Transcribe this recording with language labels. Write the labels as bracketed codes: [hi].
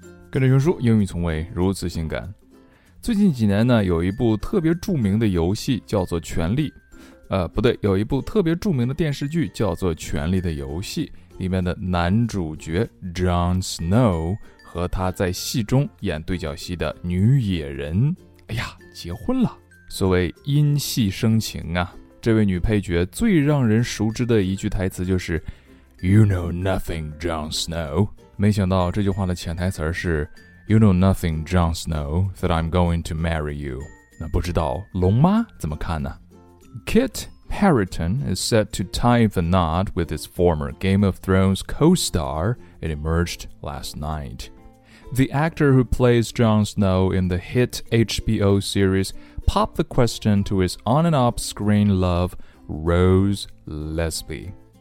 [zh] 跟着熊叔，英语从未如此性感。最近几年呢，有一部特别著名的游戏叫做《权力》，不对，有一部特别著名的电视剧叫做《权力的游戏》，里面的男主角 Jon Snow 和他在戏中演对角戏的女野人，哎呀，结婚了。所谓因戏生情啊，这位女配角最让人熟知的一句台词就是 [en] You know nothing, Jon Snow。 [zh] 没想到这句话的潜台词是 [en] You know nothing, Jon Snow, that I'm going to marry you. [zh] 那不知道龙妈怎么看呢？ [en] Kit Harington is set to tie the knot with his former Game of Thrones co-star, it emerged last night. The actor who plays Jon Snow in the hit HBO series popped the question to his on and off screen love, Rose Leslie.